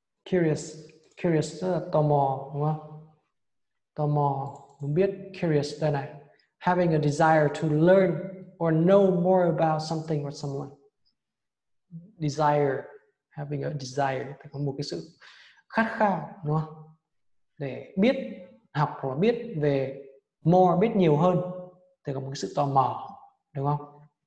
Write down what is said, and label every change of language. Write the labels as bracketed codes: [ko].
[vi] Curious, tức là tò mò, đúng không? Tò mò, muốn biết, curious, đây này. [en] Having a desire to learn or know more about something or someone. [vi] Desire, having a desire, tức là một cái sự khát khao, đúng không? Để biết, học hoặc là biết về more, biết nhiều hơn, thì có một cái sự tò mò, đúng không?